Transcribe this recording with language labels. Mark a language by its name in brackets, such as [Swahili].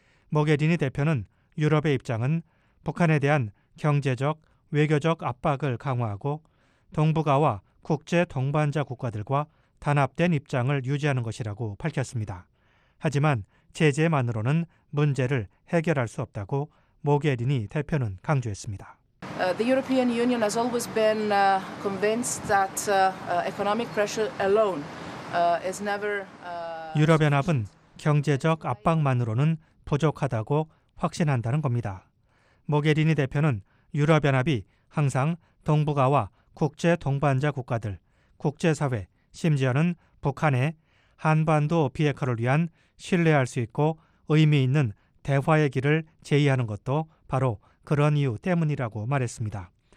[Korean] 모게리니 대표는 유럽의 입장은 북한에 대한 경제적, 외교적 압박을 강화하고 동북아와 국제 동반자 국가들과 단합된 입장을 유지하는 것이라고 밝혔습니다. 하지만 제재만으로는 문제를 해결할 수 없다고 모게리니 대표는 강조했습니다. [English] The European Union has always been convinced that economic pressure alone is never [Korean] 유럽연합은 경제적 압박만으로는 부족하다고 확신한다는 겁니다. 모게리니 대표는 유럽연합이 항상 동북아와 국제 동반자 국가들, 국제사회, 심지어는 북한의 한반도 비핵화를 위한 신뢰할 수 있고 의미 있는 대화의 길을 제의하는 것도 바로 그런 이유 때문이라고 말했습니다.